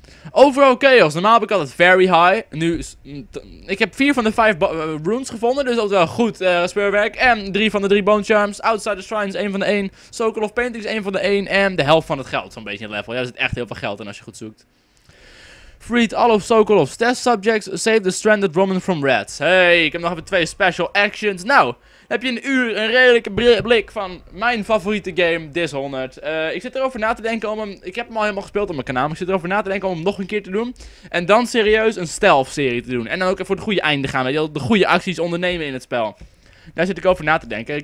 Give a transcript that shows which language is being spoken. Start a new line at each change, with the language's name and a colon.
Dutch: Overal chaos, normaal heb ik altijd
English: very high.
Dutch: Nu, ik heb 4 van de 5 runes gevonden, dus dat is wel goed speurwerk. En 3 van de 3 bone charms, outsider shrines 1 van de 1. Sokolov paintings 1 van de 1 en de helft van het geld, zo'n beetje een level. Ja, er zit echt heel veel geld in als je goed zoekt.
English: Freed all of Sokolov's test subjects. Save the stranded Roman from rats.
Dutch: Hey, ik heb nog even 2 special actions. Nou, heb je een uur een redelijke blik van mijn favoriete game, Dishonored. Ik zit erover na te denken om hem... Ik heb hem al helemaal gespeeld op mijn kanaal. Maar ik zit erover na te denken om hem nog een keer te doen. En dan serieus een stealth serie te doen. En dan ook even voor het goede einde gaan. De goede acties ondernemen in het spel. Daar zit ik over na te denken.